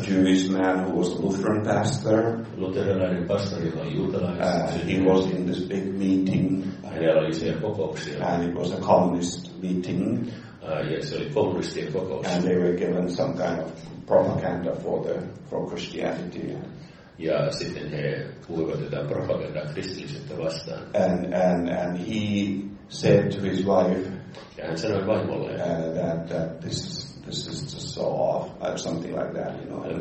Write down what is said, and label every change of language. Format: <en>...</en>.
<en>A Jewish man who was a Lutheran pastor.</en> <fi>Luterilainen pastori, joka oli juutalainen.</fi> <en>He was in this big meeting.</en> <fi>Hänellä oli siellä kokouksia.</fi> <en>And it was a communist meeting.</en> <fi>Ja se oli kommunistien kokous.</fi> <en>And they were given some kind of propaganda for Christianity.</en> <fi>Ja sitten he puhuivat jotain propagandaa kristillisyyttä vastaan.</fi> <en>And he said to his wife.</en> <fi>Ja hän sanoi vaimolle.</fi> <en>That this is just so off, something like that, you know.</en>